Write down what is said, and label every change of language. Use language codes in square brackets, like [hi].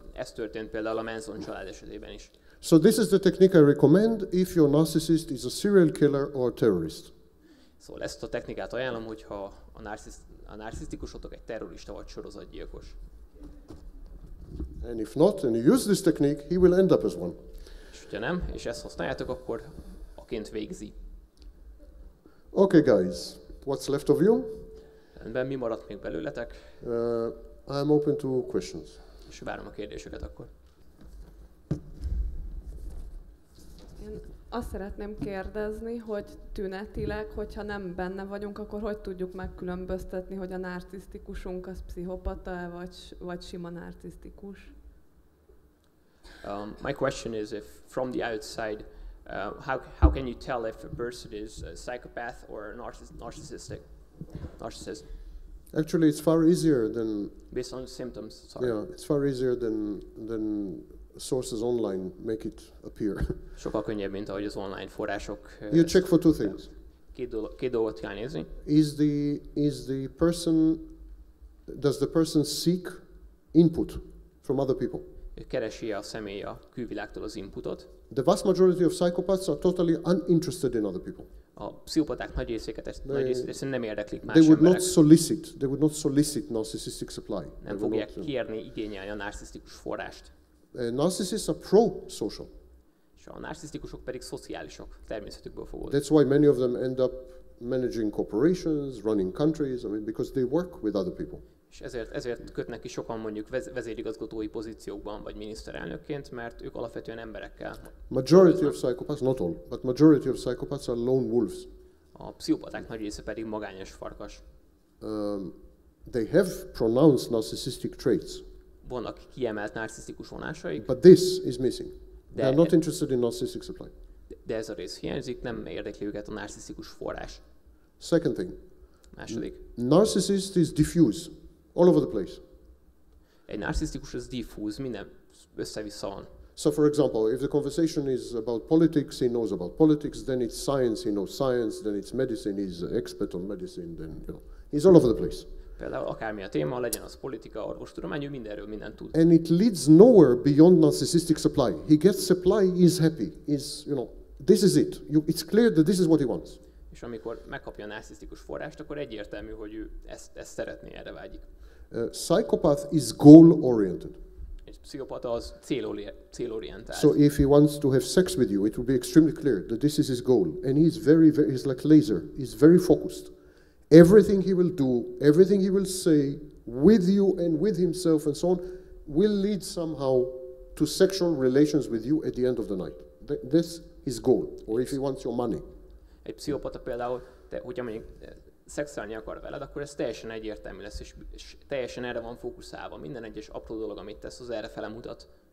[hu] Ez történt például a Manson család esetében is. [en] So this is the technique I recommend if your narcissist is a serial killer or a terrorist. [hu] Szóval ezt a technikát ajánlom, hogyha a narcisztikusotok egy terrorista vagy sorozatgyilkos. [en] And if not, and you use this technique, he will end up as one. [hu] És ha nem, és ezt használjátok, akkor aként végzi. [en] Okay, guys, what's left of you? [hu] Rendben, mi maradt még belőletek? [en] I'm open to questions. [hu] És várom a kérdéseket akkor. Én azt szeretném kérdezni, hogy tünetileg, hogyha nem benne vagyunk, akkor hogy tudjuk megkülönböztetni, hogy a narcisztikusunk az pszichopata vagy sima narcisztikus? [en] My question is, if from the outside, how can you tell if a person is a psychopath or narcissistic? Narcissist. Actually, it's far easier than based on symptoms. Sorry. Yeah, it's far easier than sources online make it appear. [hu] Sokkal könnyebb, mint ahogy az online források. [en] You check for two things. [hu] Két dolgot kell nézni. [en] Does the person seek input from other people? [hu] Keresi a személy a külvilágtól az inputot. [en] The vast majority of psychopaths are totally uninterested in other people. [hu] A pszichopaták nagy részéket nem érdeklik más [en] they would [hu] emberek. [en] They would not solicit narcissistic supply. [hu] Nem fogják kérni, igényelni a narcisztikus forrást. [en] Narcissists are pro-social. [hu] És a narcisztikusok pedig szociálisok, természetükből fogódnak. [en] That's why many of them end up managing corporations, running countries, I mean, because they work with other people. [hu] És ezért kötnek ki sokan mondjuk vezérigazgatói pozíciókban vagy miniszterelnökként, mert ők alapvetően emberekkel. [en] Majority of psychopaths, not all, but majority of psychopaths are lone wolves. [hu] A pszichopaták nagy része pedig magányos farkas. [en] They have pronounced narcissistic traits. [hu] Vannak kiemelt narcisztikus vonásaik. [en] But this is missing. They are not interested in narcissistic supply. [hu] De ez a rész hiányzik, nem érdekli őket a narcisztikus forrás. [en] Second thing. [hu] Második. [en] Narcissist is diffuse. All over the place. [hu] Egy narcisztikus az diffúz, minden össze-vissza van. [en] So for example, if the conversation is about politics, he knows about politics, then it's science, he knows science, then it's medicine, he's an expert on medicine, then you know, he's all over the place. [hu] Például akármi a téma, legyen az politika, orvostudomány, mindenről mindent tud. [en] And it leads nowhere beyond narcissistic supply. He gets supply, he's happy, he's, you know, this is it. It's clear that this is what he wants. [hu] És amikor megkapja a narcisztikus forrást, akkor egyértelmű, hogy ő ezt szeretné, erre vágyik. [en] Psychopath is goal-oriented. [hu] Egy pszichopata az célorientált. [en] So if he wants to have sex with you, it will be extremely clear that this is his goal. And he's very, he's like laser, he's very focused. Everything he will do, everything he will say, with you and with himself and so on, will lead somehow to sexual relations with you at the end of the night. This is goal, or if he wants your money. [hu] Egy pszichopata például, hogyha mondjuk szexelni akar veled, akkor ez teljesen egyértelmű lesz, és teljesen erre van fókuszálva. Minden egyes apró dolog, amit tesz, az erre felemutat.